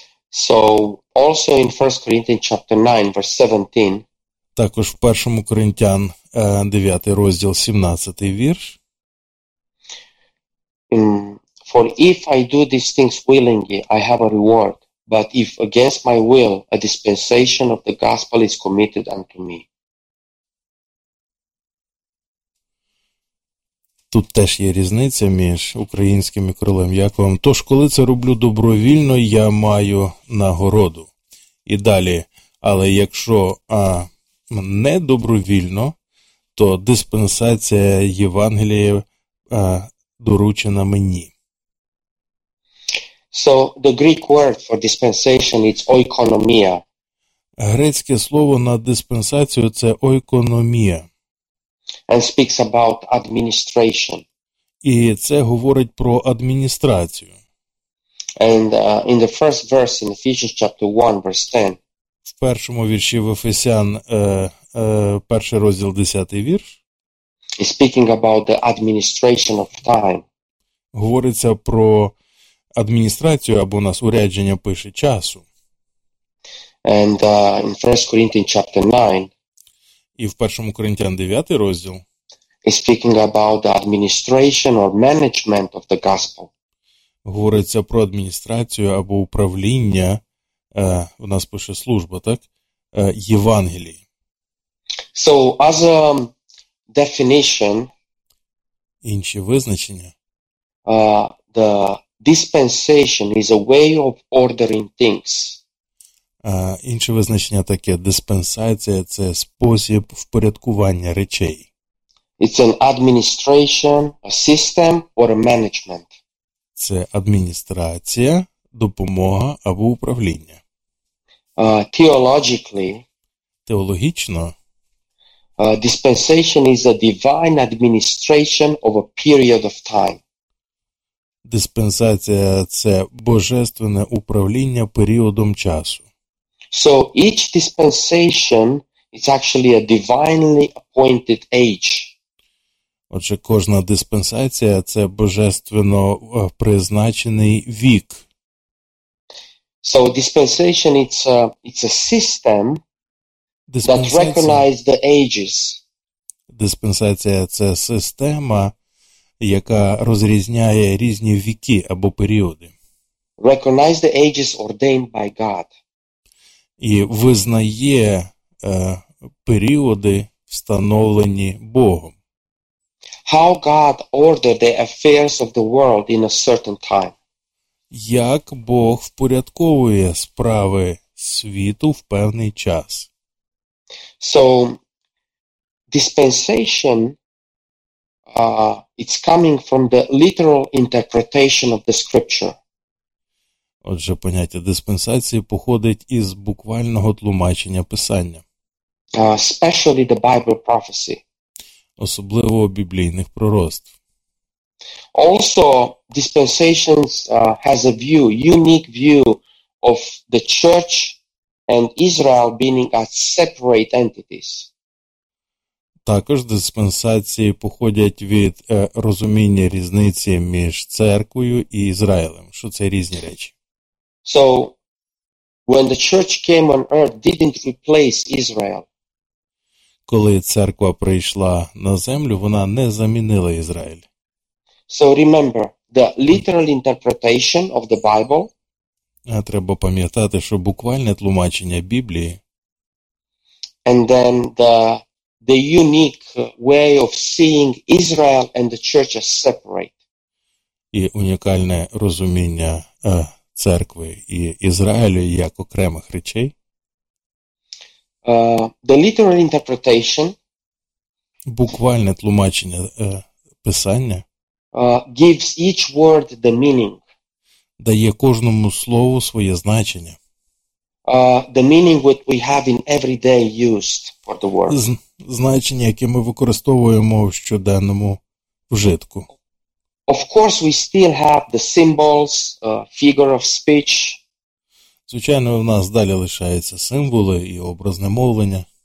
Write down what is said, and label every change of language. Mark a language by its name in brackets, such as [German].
[English] So, also in 1 Corinthians chapter 9, verse 17, [Ukrainian] Також в 1 Коринтян 9 розділ 17 вірш. [English] For if I do these things willingly, I have a reward. But if against my will, a dispensation of the gospel is committed unto me. [Ukrainian] Тут теж є різниця між українським і королем Яковом. Тож, коли це роблю добровільно, я маю нагороду. І далі, але якщо не добровільно, то диспенсація Євангелія доручена мені. [English] So the Greek word for dispensation is oikonomia. [Ukrainian] Грецьке слово на диспенсацію це oikonomia. [English] And speaks about administration. [Ukrainian] І це говорить про адміністрацію. [English] And in the first verse in Ephesians chapter 1 verse 10. [Ukrainian] В першому вірші в Ефесян перший розділ 10-й вірш. [English] It's speaking about the administration of time. [Ukrainian] Говориться про адміністрацію або у нас урядження пише часу. [English] And in 1 Corinthians chapter 9. [Ukrainian] І в 1 Коринтян 9 розділ. [English] Is speaking about the administration or management of the gospel. [Ukrainian] Говориться про адміністрацію або управління, у нас пише служба, так? Євангелії. [English] So as a definition, [Ukrainian] інші визначення. [English] The dispensation is a way of ordering things. [Ukrainian] Інше визначення таке. Диспенсація – це спосіб впорядкування речей. [English] It's an administration, a system, or a management. [Ukrainian] Це адміністрація, допомога або управління. [English] Theologically, [Ukrainian] теологічно, [English] dispensation is a divine administration of a period of time. [Ukrainian] Диспенсація – це божественне управління періодом часу. [English] So each dispensation is actually a divinely appointed age. [Ukrainian] Отже, кожна диспенсація – це божественно призначений вік. [English] So dispensation – it's a system that recognizes the ages. [Ukrainian] Диспенсація – це система, яка розрізняє різні віки або періоди. [English] Recognize the ages ordained by God. [Ukrainian] І визнає періоди, встановлені Богом. [English] How God ordered the affairs of the world in a certain time. [Ukrainian] Як Бог впорядковує справи світу в певний час. [English] So, dispensation it's coming from the literal interpretation of the scripture. [Ukrainian] Отже, поняття диспенсації походить із буквального тлумачення Писання. [English] Especially the Bible prophecy. [Ukrainian] Особливо біблійних пророцтв. [English] Also, dispensations has a view, unique view of the church and Israel being as separate entities. [Ukrainian] Також диспенсації походять від розуміння різниці між церквою і Ізраїлем, що це різні речі. [English] So, when the church came on earth, didn't replace Israel. [Ukrainian] Коли церква прийшла на землю, вона не замінила Ізраїль. [English] So, remember, the literal interpretation of the Bible. [Ukrainian] Треба пам'ятати, що буквальне тлумачення Біблії. [English] And then the unique way of seeing Israel and the church as separate. [Ukrainian] І унікальне розуміння церкви і Ізраїлю як окремих речей. [English] The literal interpretation, [Ukrainian] буквальне тлумачення писання, [English] gives each word the meaning. [Ukrainian] Дає кожному слову своє значення. [English] The meaning that we have in everyday used for the word. [Ukrainian] Значення, яке ми використовуємо в щоденному вжитку. [English] Of course, we still have the symbols, figure of speech. [Ukrainian] Звичайно, в нас далі лишаються символи і образне мовлення.